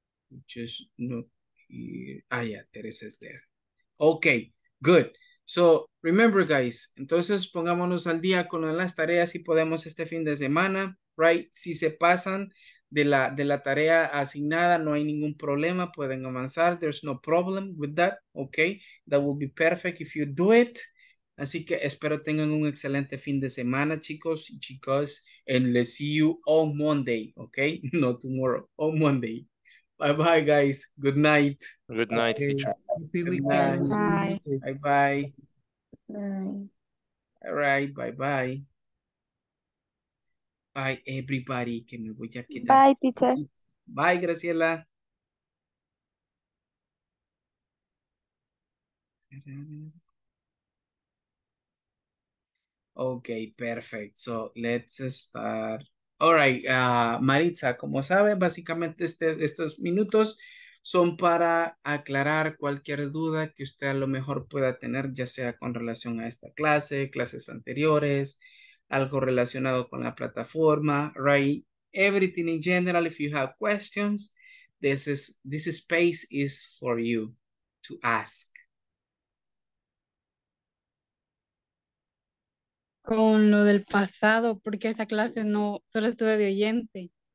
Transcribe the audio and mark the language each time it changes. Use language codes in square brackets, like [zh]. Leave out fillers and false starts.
[en] Which is no, ah, yeah, Teresa is there. Okay, good. So, remember, guys, [es] entonces pongámonos al día con las tareas y podemos este fin de semana, [en] right? [es] Si se pasan de la tarea asignada, no hay ningún problema, pueden avanzar. [en] There's no problem with that, okay? That will be perfect if you do it. [es] Así que espero tengan un excelente fin de semana, chicos y chicas. [en] And let's see you on Monday, okay? Not tomorrow, on Monday. Bye-bye, guys. Good night. Good night, okay. Teacher. Bye-bye. All right, bye-bye. Bye, everybody. [es] Que me voy a quedar. [en] Bye, teacher. Bye, Graciela. Okay, perfect. So, let's start. [es] All [en] right, [es] Maritza, como sabe, básicamente estos minutos son para aclarar cualquier duda que usted a lo mejor pueda tener, ya sea con relación a esta clase, clases anteriores, algo relacionado con la plataforma, right? [en] Everything in general, if you have questions, this space is for you to ask. [es] Con lo del pasado, porque esa clase no, solo estuve de oyente.